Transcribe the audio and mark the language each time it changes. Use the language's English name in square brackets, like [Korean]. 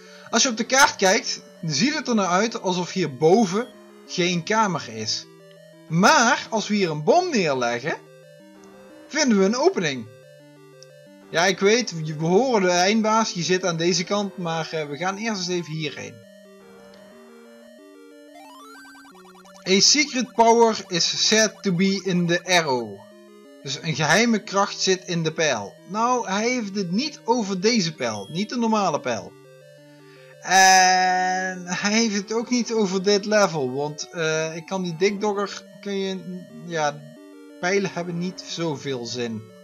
[Dutch] Als je op de kaart kijkt, ziet het er nou uit alsof hierboven geen kamer is. Maar als we hier een bom neerleggen, vinden we een opening. Ja, ik weet, we horen de eindbaas, je zit aan deze kant, maar we gaan eerst eens even hierheen. [English] A secret power is said to be in the arrow. [Dutch] Dus een geheime kracht zit in de pijl. Nou, hij heeft het niet over deze pijl, niet de normale pijl. En hij heeft het ook niet over dit level, want ik kan die dikdogger, kun je, ja, pijlen hebben niet zoveel zin.